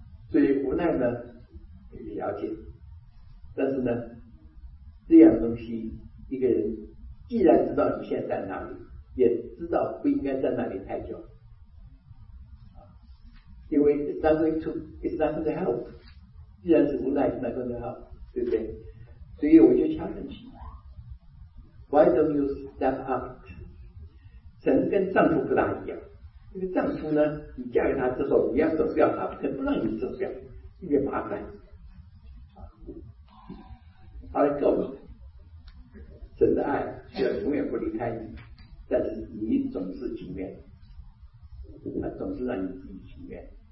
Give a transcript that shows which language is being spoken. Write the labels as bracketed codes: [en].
[zh] 所以无奈呢，也了解，但是呢，这样东西一个人既然知道你现在在哪里，也知道不应该在那里太久，因为 [en] it's not going to help， [zh] 既然是无奈 it's not going to help， 对不对？所以我就想问你， [en] Why don't you step up？ [zh] 神跟丈夫不大一样，因为丈夫呢，你嫁给他之后你要走掉他，神不让你走掉，特别麻烦。好了，够了，神的爱却永远不离开你，但是你总是情愿，他总是让你自己情愿。